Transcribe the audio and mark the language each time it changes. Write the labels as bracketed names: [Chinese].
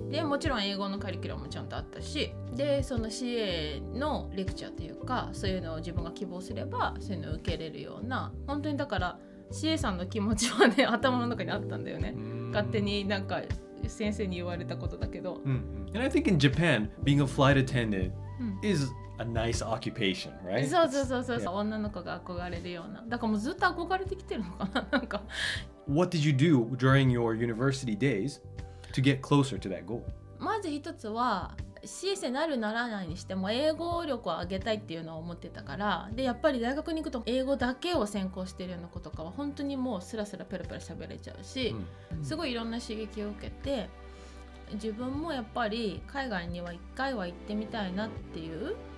[Japanese] で、もちろん英語のカリキュラムもちゃんとあったし、で、その CA のレクチャーというか、そういうのを自分が希望すれば、そういうのを受けれるような、本当にだから CA さんの気持ちはね、頭の中にあったんだよね。勝手になんか、先生に言われたことだけど。 [English] And I think in Japan, being a flight attendant is a nice occupation, right? [Japanese] そうそうそうそう、yeah. 女の子が憧れるような。だからもうずっと憧れてきてるのかな、なんか。 [English] What did you do during your university days to get closer to that goal? [Japanese] まず一つは、 CS になるならないにしても英語力を上げたいっていうのを思ってたから、でやっぱり大学に行くと英語だけを専攻してるような子とかは本当にもうスラスラペラペラ喋れちゃうし、すごいいろんな刺激を受けて、自分もやっぱり海外には一回は行ってみたいなっていう。